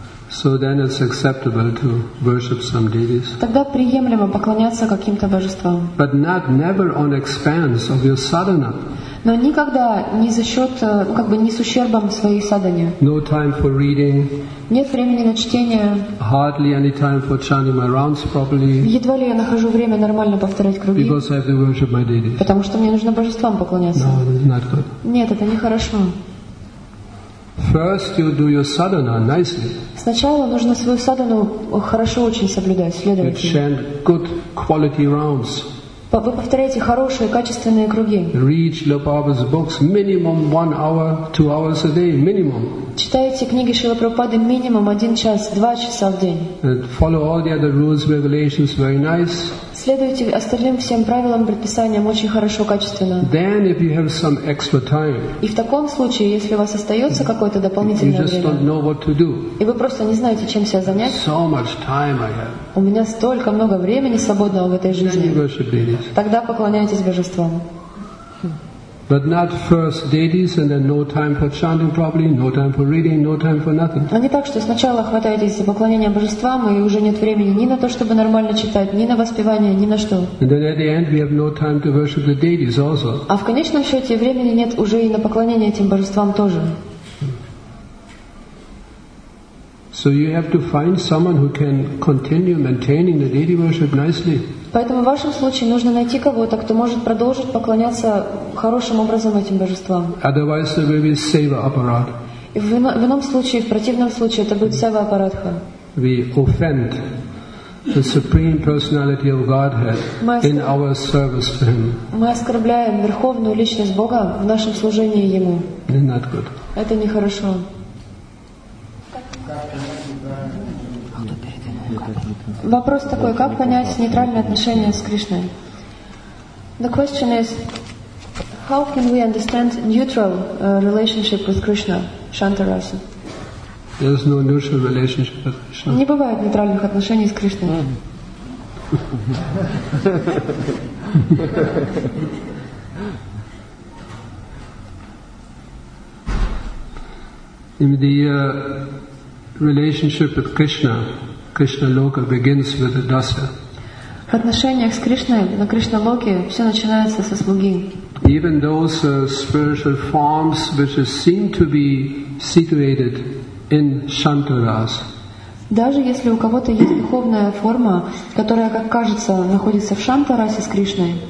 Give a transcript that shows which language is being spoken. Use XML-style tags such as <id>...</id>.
<en>So then it's acceptable to worship some deities.</en> <ru>Тогда приемлемо поклоняться каким-то божествам.</ru> <en>But not never on expense of your sadhana.</en> <ru>Но никогда не за счет, как бы не с ущербом своей садхане.</ru> <en>No time for reading.</en> <ru>Нет времени на чтение.</ru> <en>Hardly any time for chanting my rounds properly.</en> <ru>Едва ли я нахожу время нормально повторять круги.</ru> <en>Because I have to worship my deities.</en> <ru>Потому что мне нужно божествам поклоняться.</ru> <en>No, it's not good.</en> <ru>Нет, это нехорошо.</ru> <en>First, you do your sadhana nicely.</en> <ru>Сначала нужно свою садхану хорошо очень соблюдать, следовать.</ru> <en>You chant good quality rounds.</en> <ru>Вы повторяете хорошие, качественные круги.</ru> <en>Read Śrīla Prabhupāda's books minimum 1 hour, 2 hours a day, minimum.</en> <ru>Читайте книги Шрилы Прабхупады минимум 1 час, 2 часа в день.</ru> <en>And follow all the other rules, regulations very nice.</en> <ru>Следуйте остальным всем правилам, предписаниям очень хорошо, качественно.</ru> <en>Then, if you have some extra time,</en> <ru>и в таком случае, если у вас остается какое-то дополнительное</ru> <en>you just</en> <ru>время,</ru> <en>don't know what to do.</en> <ru>И вы просто не знаете, чем себя занять,</ru> <en>so much time I have.</en> <ru>У меня столько много времени свободного в этой жизни,</ru> <en>then you worship deities.</en> <ru>Тогда поклоняйтесь божествам.</ru> <en>But not first deities and then no time for chanting properly, no time for reading, no time for nothing.</en> <ru>А не так, что сначала хватаетесь за поклонение божествам, и уже нет времени ни на то, чтобы нормально читать, ни на воспевание, ни на что.</ru> <en>And then at the end we have no time to worship the deities also.</en> <ru>А в конечном счете времени нет уже и на поклонение этим божествам тоже.</ru> <en>So you have to find someone who can continue maintaining the deity worship nicely.</en> <ru>Поэтому в вашем случае нужно найти кого-то, кто может продолжить поклоняться хорошим образом этим божествам.</ru> <en>Otherwise, there will be seva aparat.</en> <ru>В ином случае, в противном случае, это будет сева аппаратха.</ru> <en>We offend the supreme personality of Godhead in our service to Him.</en> <ru>Мы оскорбляем верховную личность Бога в нашем служении Ему.</ru> <en>Not good.</en> <ru>Это нехорошо. Вопрос такой, как понять нейтральное отношение с Кришной?</ru> <en>The question is, how can we understand neutral relationship with Krishna, Shantarasa? There is no neutral relationship with Krishna.</en> <ru>Не бывает нейтральных отношений с Кришной.</ru> <en>In the relationship with Krishna, Krishna Loka begins with the dasa.</en> <ru>В отношениях с Кришной на Кришна Локе все начинается со слуги.</ru> <en>Even those spiritual forms which seem to be situated in Shantaras.</en> <ru>Даже если у кого-то есть духовная форма, которая, как кажется, находится в Шантарасе с Кришной.</ru>